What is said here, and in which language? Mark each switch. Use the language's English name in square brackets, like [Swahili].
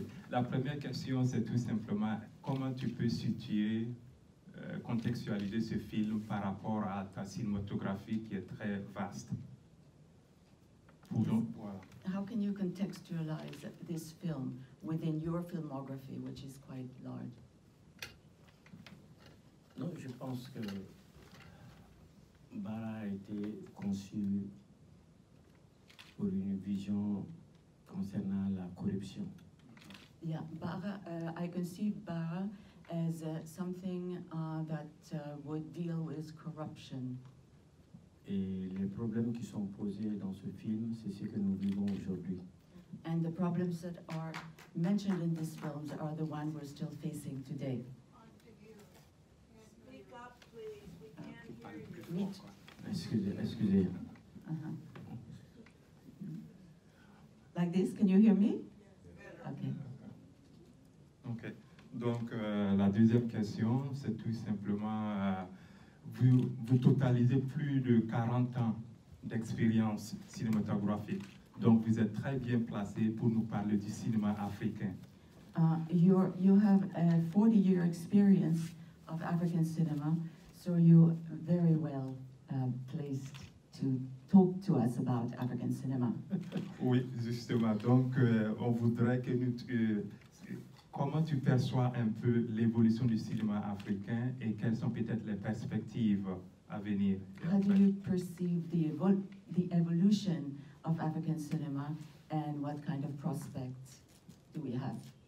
[French] La première question, c'est tout simplement comment tu peux situer, contextualiser ce film par rapport à ta cinématographie qui est très vaste. [English] How can you contextualize this film within your filmography, which is quite large? [French] Non, je pense que Bara a été conçu pour une vision concernant la corruption. [English] Yeah, Bara, I conceived Bara as something that would deal with corruption. [French] Et les problèmes qui sont posés dans ce film, c'est ce que nous vivons aujourd'hui. [English] And the problems that are mentioned in this film are the one we're still facing today. [French] Excusez. [English] Like this, can you hear me? Okay. [French] Donc la deuxième question, c'est tout simplement vous totalisez plus de 40 ans d'expérience cinématographique. Donc vous êtes très bien placé pour nous parler du cinéma africain. [English] You have a 40 year experience of African cinema, so you very well placed to talk to us about African cinema. [French] Oui, justement. Donc on voudrait que nous comment tu perçois un peu l'évolution du cinéma africain et quelles sont peut-être les perspectives à venir? [English] How do you perceive the evolution of African cinema and what kind of prospects do we have?